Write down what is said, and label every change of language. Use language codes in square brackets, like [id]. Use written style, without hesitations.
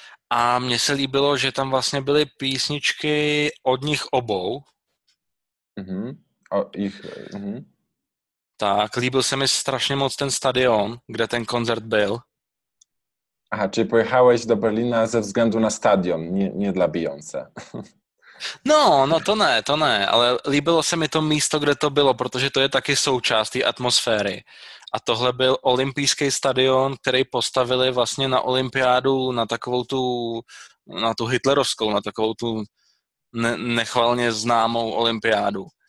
[cs] A mně se líbilo, že tam vlastně byly písničky od nich obou. Mhm. Mhm. Tak, líbil se mi strašně moc ten stadion, kde ten koncert byl. [pl] Aha, čili pojechałeś do Berlina ze względu na stadion, nie dla Beyoncé. [cs] No, to ne, ale líbilo se mi to místo, kde to bylo, protože to je taky součást té atmosféry. A tohle byl olympijský stadion, který postavili vlastně na olympiádu, na takovou tu, na tu hitlerovskou, na takovou tu nechvalně známou olympiádu.